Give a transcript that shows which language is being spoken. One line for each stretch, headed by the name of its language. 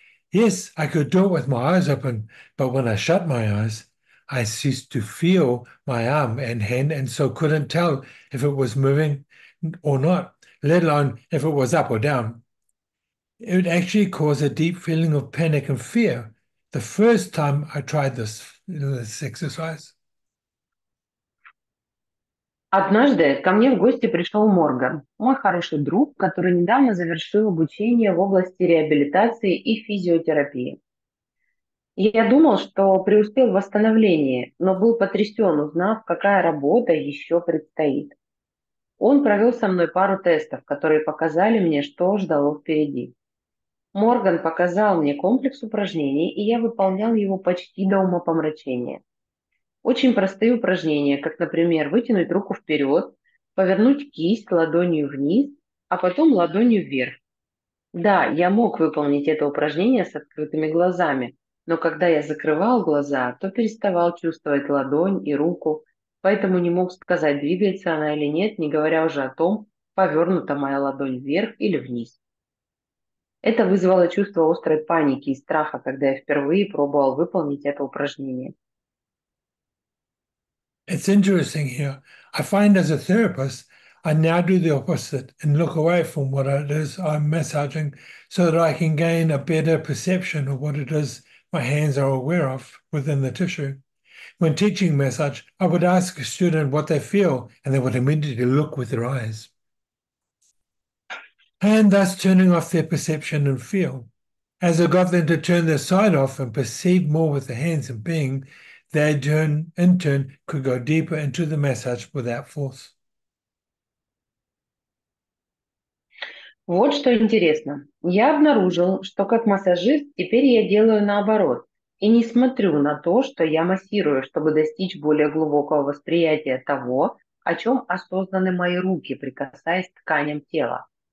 English: Yes, I could do it with my eyes open, but when I shut my eyes, I ceased to feel my arm and hand and so couldn't tell if it was moving or not, let alone if it was up or down. It would actually cause a deep feeling of panic and fear the first time I tried this exercise.
Russian: Однажды ко мне в гости пришел Морган, мой хороший друг, который недавно завершил обучение в области реабилитации и физиотерапии. Я думал, что преуспел в восстановлении, но был потрясен, узнав, какая работа еще предстоит. Он провел со мной пару тестов, которые показали мне, что ждало впереди. Морган показал мне комплекс упражнений, и я выполнял его почти до умопомрачения. Очень простые упражнения, как, например, вытянуть руку вперед, повернуть кисть ладонью вниз, а потом ладонью вверх. Да, я мог выполнить это упражнение с открытыми глазами, но когда я закрывал глаза, то переставал чувствовать ладонь и руку, поэтому не мог сказать, двигается она или нет, не говоря уже о том, повернута моя ладонь вверх или вниз. Это вызвало чувство острой паники и страха, когда я впервые пробовал выполнить это упражнение.
English: It's interesting here. I find as a therapist, I now do the opposite and look away from what it is I'm massaging so that I can gain a better perception of what it is my hands are aware of within the tissue. When teaching massage, I would ask a student what they feel and they would immediately look with their eyes. And thus turning off their perception and feel. As I got them to turn their sight off and perceive more with the hands and being, they in turn could go deeper into the massage without force.
Russian: Вот что интересно. Я обнаружил, что как массажист теперь я делаю наоборот и не смотрю на то, что я массирую, чтобы достичь более глубокого восприятия того, о чем осознаны мои руки, прикасаясь к тканям тела.